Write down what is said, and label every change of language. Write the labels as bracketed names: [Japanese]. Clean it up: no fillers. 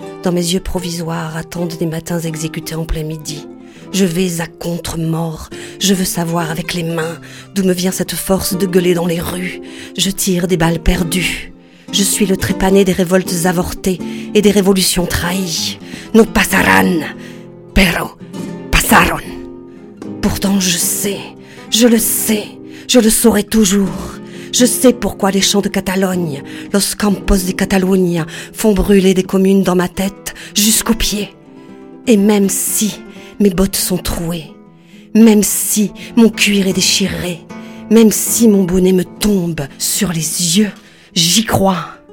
[French] Dans mes yeux provisoires attendent des matins exécutés en plein midi. Je vais à contre-mort, je veux savoir avec les mains d'où me vient cette force de gueuler dans les rues. Je tire des balles perdues, je suis le trépané des révoltes avortées et des révolutions trahies. [Spanish] No pasarán, pero pasaron. [French] Pourtant je sais, je le sais, je le saurai toujours. Je sais pourquoi les champs de Catalogne, [Spanish] los campos de Catalunya, [French] font brûler des communes dans ma tête jusqu'aux pieds. Et même si mes bottes sont trouées, même si mon cuir est déchiré, même si mon bonnet me tombe sur les yeux, j'y crois.